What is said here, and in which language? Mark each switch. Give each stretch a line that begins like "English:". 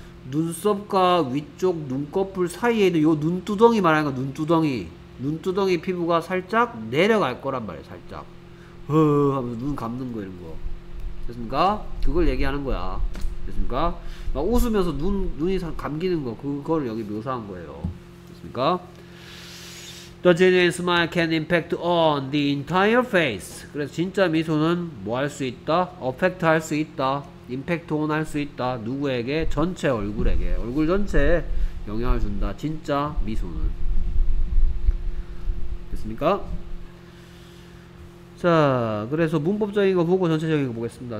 Korean: 눈썹과 위쪽 눈꺼풀 사이에 있는 요 눈두덩이 말하는 거. 눈두덩이 피부가 살짝 내려갈 거란 말이에요. 살짝 허 하면서 눈 감는 거 이런 거. 됐습니까? 그걸 얘기하는 거야. 됐습니까? 막 웃으면서 눈이 감기는 거, 그걸 여기 묘사한 거예요. 됐습니까?
English: The genuine smile can impact on the entire face.
Korean: 그래서 진짜 미소는 뭐 할 수 있다? Affect 할 수 있다. Impact on 할 수 있다. 누구에게? 전체 얼굴에게. 얼굴 전체에 영향을 준다. 진짜 미소는. 됐습니까? 자, 그래서 문법적인 거 보고 전체적인 거 보겠습니다.